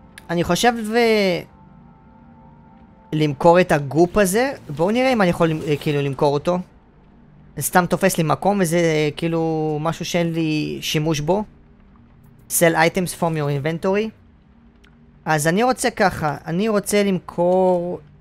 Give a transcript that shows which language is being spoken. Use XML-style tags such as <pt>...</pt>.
<he>אני חושב למכור את הגופ הזה. בואו נראה אם אני יכול כאילו למכור אותו. זה סתם תופס לי מקום וזה כאילו משהו שאין לי שימוש בו.</he> <en>Sell items from your inventory.</en> <he>אז אני רוצה ככה, אני רוצה למכור...</he>